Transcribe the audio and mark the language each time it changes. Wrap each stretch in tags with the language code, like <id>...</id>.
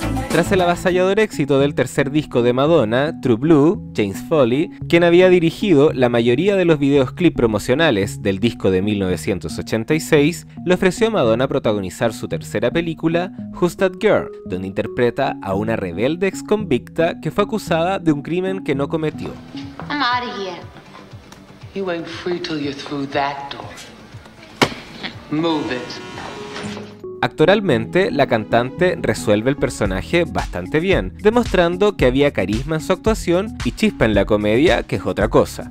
<es>Tras el avasallador éxito del tercer disco de Madonna, True Blue, James Foley, quien había dirigido la mayoría de los videos clip promocionales del disco de 1986, le ofreció a Madonna protagonizar su tercera película, Who's That Girl, donde interpreta a una rebelde ex convicta que fue acusada de un crimen que no cometió.</es> <en>I'm out of here. You ain't free till you're through that door. Move it.</en> <es>Actoralmente, la cantante resuelve el personaje bastante bien, demostrando que había carisma en su actuación y chispa en la comedia, que es otra cosa.</es>